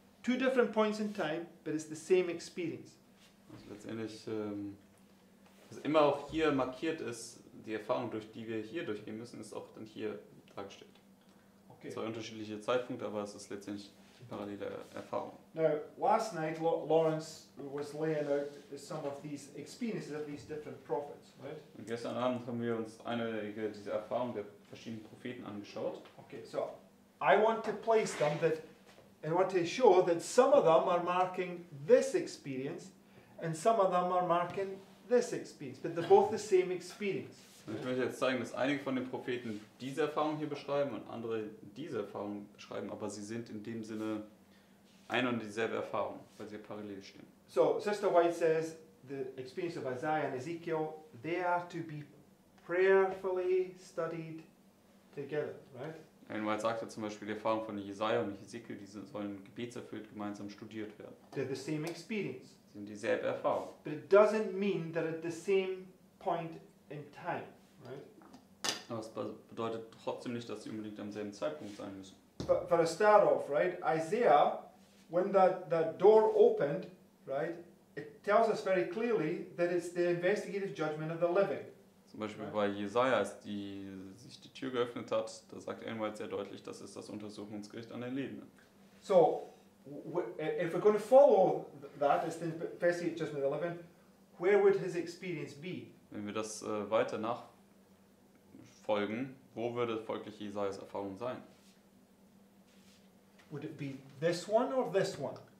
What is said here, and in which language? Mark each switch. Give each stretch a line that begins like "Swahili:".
English: Two different points in time, but it's the same experience.
German: Also letztendlich, was immer auch hier markiert ist, die Erfahrung, durch die wir hier durchgehen müssen, ist auch dann hier dargestellt. Okay. Zwei unterschiedliche Zeitpunkte, aber es ist letztendlich parallele Erfahrung.
English: Now, last night, Lawrence was laying out some of these experiences of these different prophets, right?
German: Und gestern Abend haben wir uns einige dieser Erfahrungen der verschiedenen Propheten angeschaut.
English: Okay, so, I want to place them that and want to show that some of them are marking this experience and some of them are marking this experience, but they're both the same experience.
German: Und ich möchte jetzt zeigen, dass einige von den Propheten diese Erfahrung hier beschreiben und andere diese Erfahrung beschreiben, aber sie sind in dem Sinne eine und dieselbe Erfahrung, weil sie parallel stehen.
English: So, Sister White says, the experience of Isaiah and Ezekiel, they are to be prayerfully studied together, right?
German: Ellen White sagte zum Beispiel, die Erfahrung von Jesaja und Ezekiel, die sollen gebetserfüllt gemeinsam studiert werden.
English: They're the same experience.
German: Sie sind dieselbe Erfahrung.
English: But it doesn't mean that at the same point in time, right?
German: Aber es bedeutet trotzdem nicht, dass sie unbedingt am selben Zeitpunkt sein müssen.
English: But for a start off, right, Isaiah, when that door opened, right, it tells us very clearly that it's the investigative judgment of the living.
German: Zum Beispiel bei Jesaja, als sich die Tür geöffnet hat, da sagt Ellen White sehr deutlich, das ist das Untersuchungsgericht an den Lebenden.
English: So, if we're going to follow that, as the investigative judgment of the living, where would his experience be?
German: Wenn wir das weiter nachfolgen, wo würde folglich Jesajas Erfahrung sein?
English: Would it be this one or this one?